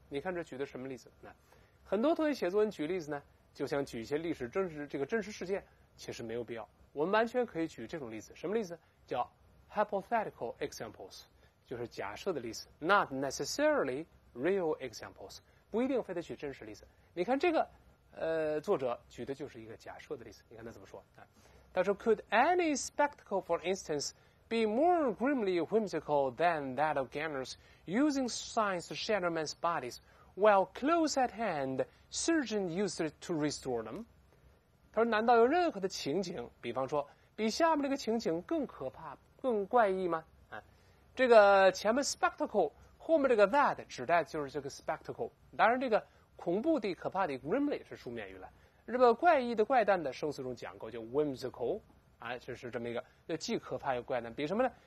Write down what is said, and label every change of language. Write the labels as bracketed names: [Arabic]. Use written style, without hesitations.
[Chinese] 你看这举的什么例子？很多同学写作文举例子呢，就想举一些历史真实这个真实事件，其实没有必要，我们完全可以举这种例子。什么例子？叫 hypothetical examples，就是假设的例子， [English] not necessarily real examples， [Chinese] 不一定非得举真实例子。你看这个作者举的就是一个假设的例子，你看他怎么说啊？他说 [English] could any spectacle for instance be more grimly whimsical than that of gamblers using signs to shatter men's bodies while close at hand surgeon used to restore them。 [Chinese] 他说难道有任何的情景，比方说比下面这个情景更可怕更怪异吗？这个前面 spectacle 后面这个 that 指代就是这个 spectacle， 当然这个恐怖的可怕的 grimly 是书面语了，这个怪异的怪诞的生词中讲过叫 whimsical 啊，就是这么一个既可怕又怪诞，比什么呢？